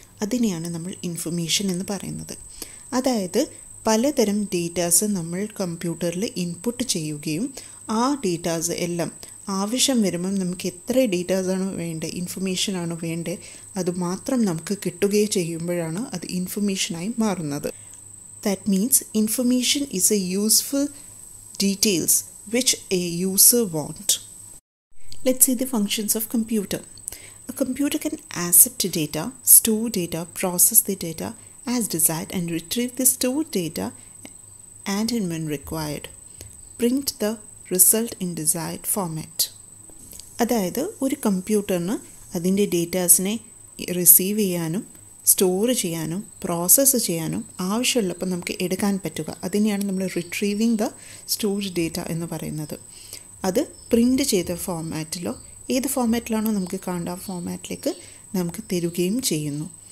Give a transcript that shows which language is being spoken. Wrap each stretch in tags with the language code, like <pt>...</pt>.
<ml>അതിനെയാണ് നമ്മൾ ഇൻഫർമേഷൻ എന്ന് പറയുന്നത്. അതായത് പലതരം ഡേറ്റാസ് നമ്മൾ കമ്പ്യൂട്ടറിൽ ഇൻപുട്ട് ചെയ്യുകയും ആ ഡേറ്റാസ് എല്ലാം ആവശ്യം വരുമ്പം നമുക്ക് എത്ര ഡേറ്റാസാണോ വേണ്ടത്, ഇൻഫർമേഷനാണോ വേണ്ടത്, അത് മാത്രം നമുക്ക് കിട്ടുകയും ചെയ്യുമ്പോഴാണ് അത് ഇൻഫർമേഷനായി മാറുന്നത്.</ml> <en>That means information is a useful details which a user want. Let's see the functions of computer. A computer can accept data, store data, process the data as desired and retrieve the stored data and when required, print the result in desired format.</en> <ml>അതായത് ഒരു കമ്പ്യൂട്ടറിന് അതിൻ്റെ ഡേറ്റാസിനെ receive ചെയ്യാനും store ചെയ്യാനും process ചെയ്യാനും ആവശ്യമുള്ളപ്പോൾ നമുക്ക് എടുക്കാൻ പറ്റുക, അതിനെയാണ് നമ്മൾ</ml> <en>retrieving the stored data</en> <ml>എന്ന് പറയുന്നത്. അത് പ്രിൻ്റ് ചെയ്ത ഫോർമാറ്റിലോ ഏത് ഫോമാറ്റിലാണോ നമുക്ക് കാണേണ്ട ആ ഫോമാറ്റിലേക്ക് നമുക്ക് തരുകയും ചെയ്യുന്നു.</ml>